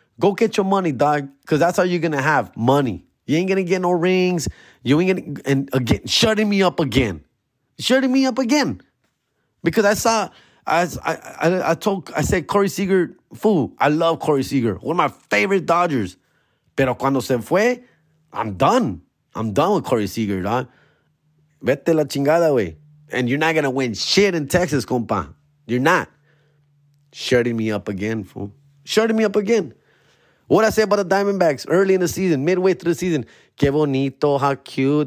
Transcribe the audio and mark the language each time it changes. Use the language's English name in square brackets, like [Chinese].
[English] Go get your money, dog, because that's how you're going to have money. You ain't going to get no rings. You ain't going to, and again, shutting me up again. Shutting me up again. Because I saw, I said, Corey Seager, fool, I love Corey Seager. One of my favorite Dodgers. [Spanish] Pero cuando se fue, [English] I'm done. I'm done with Corey Seager, dog. [Spanish] Vete la chingada, güey. [English] And you're not going to win shit in Texas, compa. You're not. Shutting me up again, fool. Shutting me up again. What I say about the Diamondbacks early in the season, midway through the season. [Spanish] Qué bonito, [English] how cute.